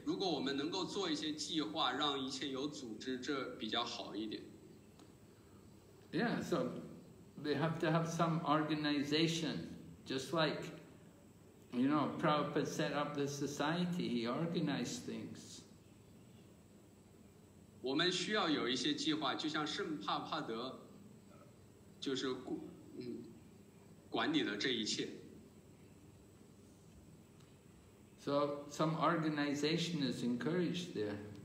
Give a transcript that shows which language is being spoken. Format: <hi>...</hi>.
<zh>如果我们能够做一些计划，让一切有组织，这比较好一点。</zh> <en>Yeah, so they have to have some organization, just like, you know, Prabhupada set up the society. He organized things.</en> <zh>我们需要有一些计划，就像圣帕帕德，就是管理了这一切。</zh> <en>So some organization is encouraged there.</en>